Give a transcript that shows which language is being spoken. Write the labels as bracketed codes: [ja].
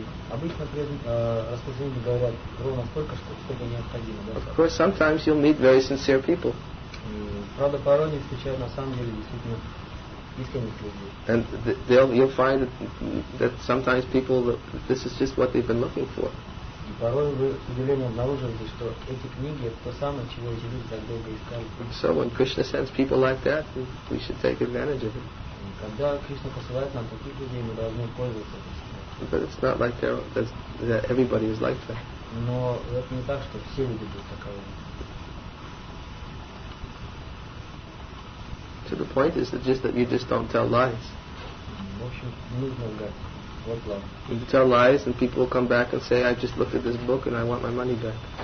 [en] Of course, sometimes you'll meet very sincere people. And you'll find that sometimes people, this is just what they've been looking for. [ru] Порой вы с удивлением обнаруживаете, что эти книги это то самое, чего эти люди так долго искали. [en] So when Krishna sends people like that, we should take advantage of it. [ru] Когда Кришна посылает нам таких людей, мы должны пользоваться этим. [en] But it's not like that everybody is like that. [ru] Но это не так, что все люди будут таковыми. [en] So the point is that just that you just don't tell lies. [ru] В общем, нужно лгать. [en] You tell lies and people will come back and say, I just looked at this book and I want my money back.